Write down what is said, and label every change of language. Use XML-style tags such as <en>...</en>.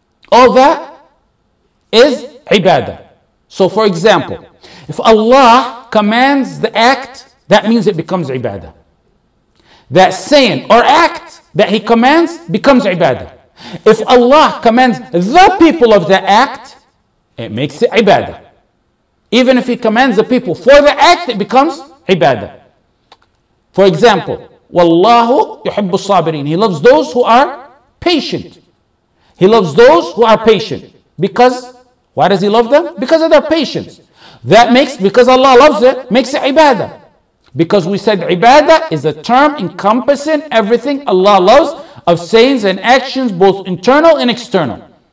<en>All that is ibadah. So for example, if Allah commands the act, that means it becomes ibadah. That saying or act that He commands becomes ibadah. If Allah commands the people of the act, it makes it ibadah. Even if He commands the people for the act, it becomes ibadah. For example,</en> <ar>وَاللَّهُ يُحِبُّ الصَّابِرِينَ.</ar> <en>He loves those who are patient. He loves those who are patient. Because why does He love them? Because of their patience. That makes, because Allah loves it, makes it ibadah. Because we said ibadah is a term encompassing everything Allah loves of sayings and actions, both internal and external.</en>